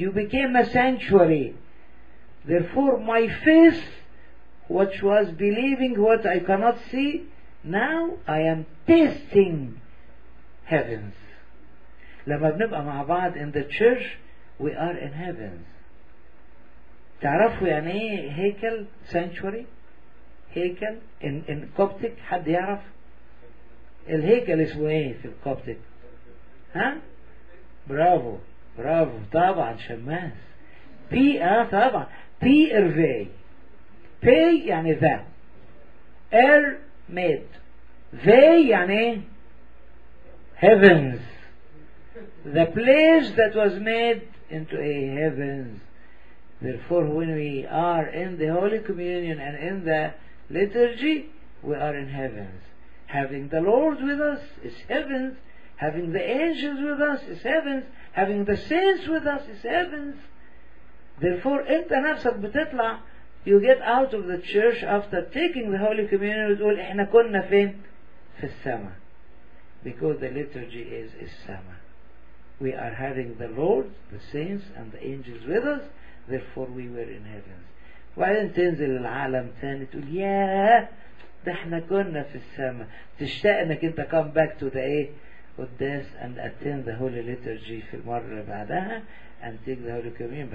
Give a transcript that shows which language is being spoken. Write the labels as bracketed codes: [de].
[en] You became a sanctuary. Therefore my faith, which was believing what I cannot see, now I am tasting heavens. [ar] لما بنبقى مع بعض [en] in the church, we are in heavens. [ar] تعرفوا يعني ايه هيكل, sanctuary, هيكل in Coptic, حد يعرف الهيكل اسمه ايه في الكوبتك؟ ها؟ برافو برافو, طبعا شماس. بي طبعا بي ارفي بي يعني ذا, [en] Are made, the يعني heavens, the place that was made into a heavens. Therefore when we are in the Holy Communion and in the liturgy, we are in heavens. Having the Lord with us is heavens. Having the angels with us is heavens. Having the saints with us is heavens. Therefore in the [ar] نفسك بتطلع, [en] you get out of the church after taking the Holy Communion, [ar] وتقول احنا كنا فين؟ في السماء. [en] Because the liturgy is sama. We are having the Lord, the saints and the angels with us, therefore we were in heavens. [ar] وبعدين تنزل العالم ثاني تقول يا ده احنا كنا في السماء. تشتاق انك انت [en] come back to the قداس and attend the holy liturgy [ar] في المرة بعدها [en] and take the holy communion.